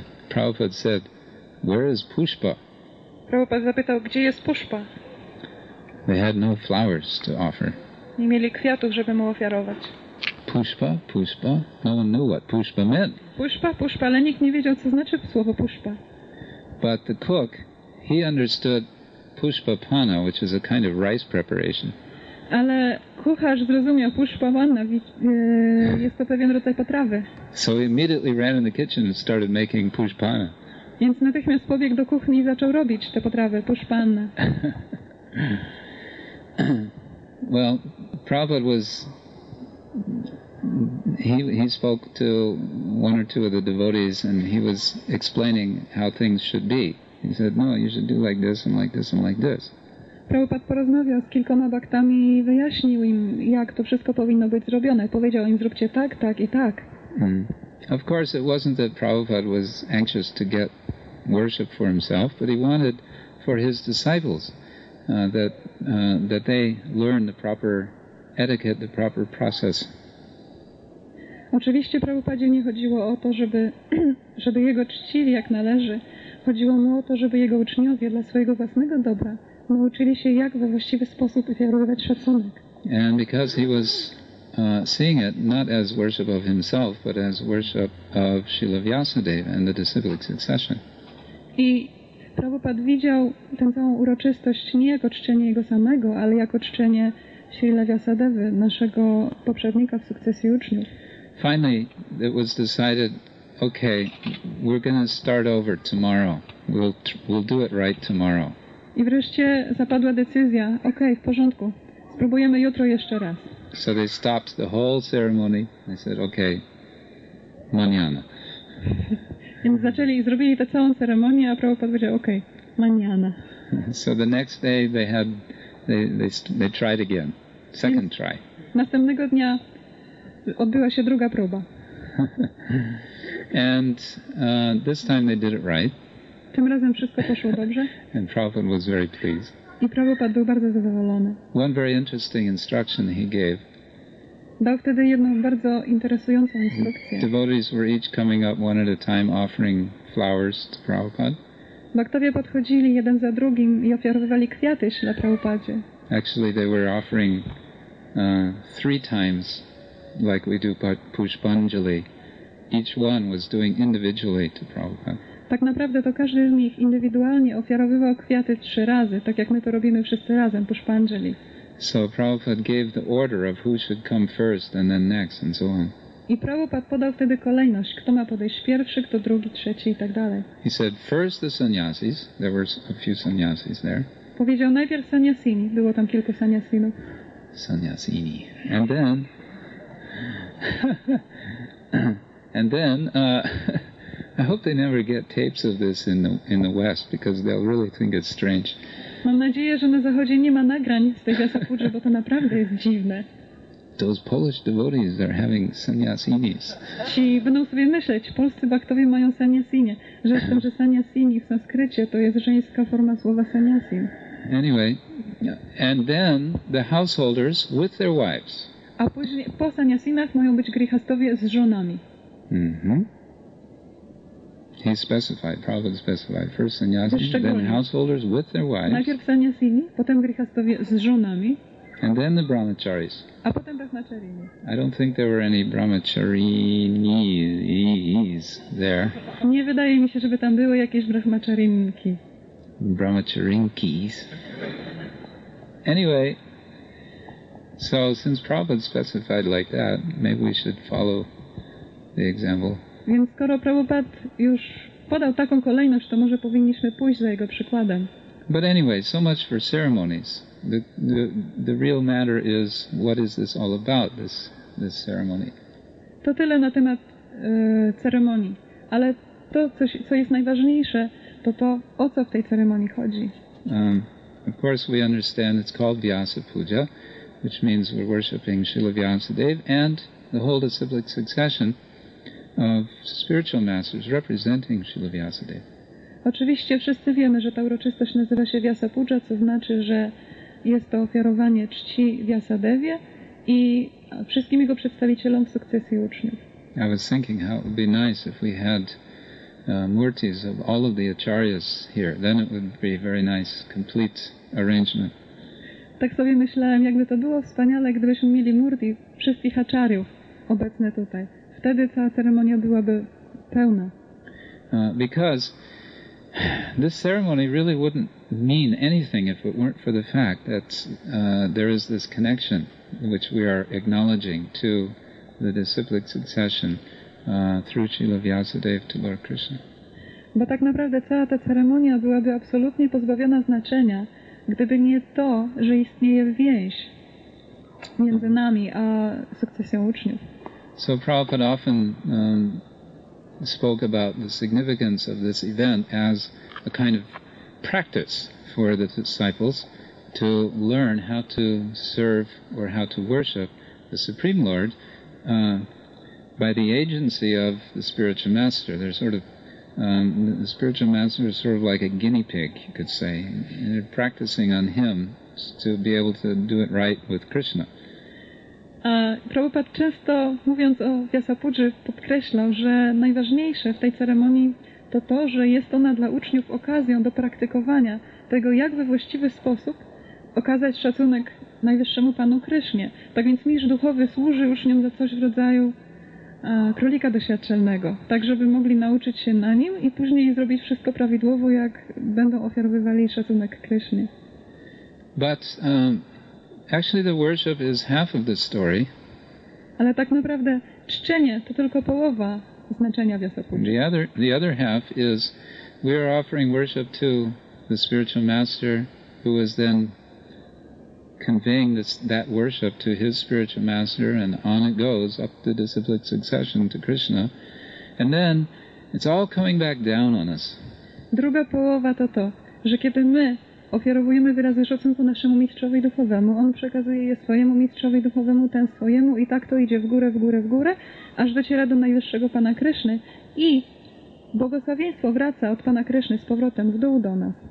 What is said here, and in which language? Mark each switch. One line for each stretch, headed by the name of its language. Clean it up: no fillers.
English: Prabhupada said, "Where is Pushpa?"
Polish: Prabhupada zapytał, gdzie jest Pushpa?
English: They had no flowers to offer.
Polish: Nie mieli kwiatów, żeby mu ofiarować.
English: Pushpa, Pushpa. No one knew what Pushpa meant.
Polish: Pushpa, Pushpa, ale nikt nie wiedział, co znaczy słowo Pushpa.
English: But the cook, he understood Pushpa Panna, which is a kind of rice preparation.
Polish: Ale kucharz zrozumiał Pushpa Panna, jest to pewien rodzaj potrawy.
English: So he immediately ran in the kitchen and started making Pushpa Panna.
Polish: Więc natychmiast pobiegł do kuchni i zaczął robić te potrawy Pushpa Panna.
English: Well, Prabhupada was he spoke to one or two of the devotees, and he was explaining how things should be. He said, no, you should do like this, and like this, and like this.
Polish: Prabhupada porozmawiał z kilkoma bhaktami i wyjaśnił im, jak to wszystko powinno być zrobione. Powiedział im, zróbcie tak, tak i tak. Mm.
English: Of course, it wasn't that Prabhupada was anxious to get worship for himself, but he wanted for his disciples that they learn the proper etiquette, the proper process.
Polish: Oczywiście Prabhupadzie nie chodziło o to, żeby jego czcili jak należy. Chodziło mu o to, żeby jego uczniowie dla swojego własnego dobra nauczyli się, jak we właściwy sposób wyrażać szacunek.
English: And because he was seeing it not as worship of himself, but as worship of Śrīla Vyāsadeva and the disciplic succession.
Polish: I Prabhupada widział tę całą uroczystość nie jako czczenie jego samego, ale jako czczenie Śrīla Vyāsadevy, naszego poprzednika w sukcesji uczniów.
English: Finally, it was decided, okay, we're going to start over tomorrow. We'll do it right tomorrow.
Polish: I wreszcie zapadła decyzja, okay, w porządku, spróbujemy jutro jeszcze raz.
English: So they stopped the whole ceremony. They said, okay, mañana.
Polish: Więc zaczęli i zrobili tę całą ceremonię, a Prabhupada powiedział, okay, mañana.
English: So the next day they tried again, second try.
Polish: Następnego dnia odbyła się druga próba.
English: And this time they did it right.
Polish: Tym razem wszystko poszło dobrze.
English: And Prabhupada was very pleased.
Polish: I Prabhupada był bardzo zadowolony.
English: One very interesting instruction he gave.
Polish: Dał wtedy jedną bardzo interesującą instrukcję.
English: Devotees were each coming up one at a time offering flowers to Prabhupada.
Polish: Bhaktowie podchodzili jeden za drugim i ofiarowywali kwiaty Śrīla Prabhupadzie.
English: Actually they were offering three times like we do Pushpanjali, each one was doing individually to Prabhupada.
Polish: Tak naprawdę to każdy z nich indywidualnie ofiarowywał kwiaty trzy razy, tak jak my to robimy wszyscy razem, Pushpanjali.
English: So Prabhupada gave the order of who should come first and then next and so on.
Polish: I Prabhupada podał wtedy kolejność, kto ma podejść pierwszy, kto drugi, trzeci i tak dalej.
English: He said first the sannyasis, there were a few sannyasis there.
Polish: Powiedział najpierw sannyasini, było tam kilku sannyasinów. Sannyasini.
English: And then I hope they never get tapes of this in the West, because they'll really think it's strange.
Polish: Mam nadzieję, że na Zachodzie nie ma nagrań z tej Jasapudży, bo to naprawdę jest dziwne.
English: Those Polish devotees are having sannyasinis.
Polish: Ci będą sobie myśleć, polscy bhaktowie mają sannyasinie. Rzecz w tym, że sannyasini w sanskrycie to jest żeńska forma słowa sannyasin.
English: Anyway, and then the householders with their wives.
Polish: A później po sannyasinach mają być grihastowie z żonami. Mm-hmm.
English: He specified, Prabhupada specified, first sannyasini, then householders with their wives.
Polish: Najpierw sannyasini, potem grihastowie z żonami.
English: And then the brahmacharis.
Polish: A potem brahmacharini.
English: I don't think there were any brahmacharinis there.
Polish: Nie wydaje mi się, żeby tam były jakieś brahmacharinki.
English: Brahmacharinkis. Anyway, so since Prabhupada specified like that, maybe we should follow the example.
Polish: Więc skoro Prabhupada już podał taką kolejność, to może powinniśmy pójść za jego przykładem.
English: But anyway, so much for ceremonies. The real matter is, what is this all about, this ceremony?
Polish: To tyle na temat ceremonii. Ale to, co jest najważniejsze, to o co w tej ceremonii chodzi.
English: Of course we understand it's called Vyasa Puja, which means we're worshiping Śrīla Vyāsadeva and the whole disciplic succession of spiritual masters representing Śrīla Vyāsadeva.
Polish: Oczywiście wszyscy wiemy, że ta uroczystość nazywa się Vyasa Puja, co znaczy, że jest to ofiarowanie czci Vyāsadevie i wszystkim jego przedstawicielom w sukcesji uczniów.
English: I was thinking how it would be nice if we had murtis of all of the acharyas here. Then it would be very nice, complete arrangement.
Polish: Tak sobie myślałem, jakby to było wspaniale, gdybyśmy mieli murti wszystkich acharyów obecne tutaj. Wtedy cała ceremonia byłaby pełna.
English: Because this ceremony really wouldn't mean anything if it weren't for the fact that there is this connection which we are acknowledging to the disciplic succession through Śrīla Vyāsadeva to Lord Krishna.
Polish: Bo tak naprawdę cała ta ceremonia byłaby absolutnie pozbawiona znaczenia, gdyby nie to, że istnieje więź między nami a sukcesją uczniów.
English: So Prabhupada often spoke about the significance of this event as a kind of practice for the disciples to learn how to serve or how to worship the Supreme Lord by the agency of the spiritual master. They're sort of the spiritual master is sort of like a guinea pig, you could say. And they're practicing on him to be able to do it right with Krishna.
Polish: Prabhupada często mówiąc o Vyasapudży podkreślał, że najważniejsze w tej ceremonii to to, że jest ona dla uczniów okazją do praktykowania tego, jak we właściwy sposób okazać szacunek najwyższemu Panu Krysznie. Tak więc mistrz duchowy służy uczniom za coś w rodzaju królika doświadczalnego, tak żeby mogli nauczyć się na nim i później zrobić wszystko prawidłowo, jak będą ofiarowywali szacunek Krysznie.
English: But actually the worship is half of the story.
Polish: Ale tak naprawdę czczenie to tylko połowa znaczenia Vyasapudży.
English: The other half is we are offering worship to the spiritual master who is then conveying that worship to his spiritual master, and on it goes up the disciplic succession to Krishna, and then it's all coming back down on us.
Polish: Druga połowa to to, że kiedy my ofiarowujemy wyrazy szacunku naszemu mistrzowi duchowemu, on przekazuje je swojemu mistrzowi duchowemu, ten swojemu, i tak to idzie w górę, w górę, w górę, aż dociera do najwyższego Pana Kryszny, i błogosławieństwo wraca od Pana Kryszny z powrotem w dół do nas.